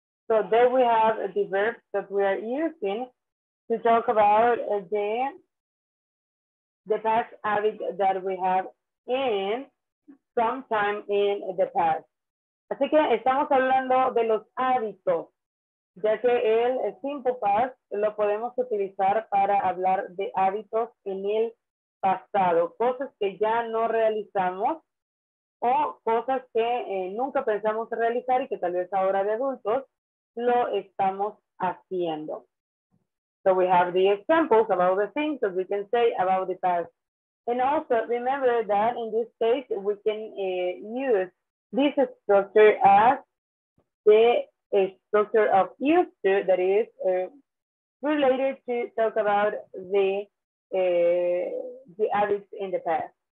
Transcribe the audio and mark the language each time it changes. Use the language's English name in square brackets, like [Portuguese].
[English] So there we have the verb that we are using to talk about the past habit that we have in sometime in the past. [Spanish] Así que estamos hablando de los hábitos, ya que el simple past lo podemos utilizar para hablar de hábitos en el pasado, cosas que ya no realizamos o cosas que nunca pensamos realizar y que tal vez ahora de adultos lo estamos haciendo. [English] So we have the examples about the things that we can say about the past. And also remember that in this case, we can use this structure as the structure of used to, that is related to talk about the habits in the past.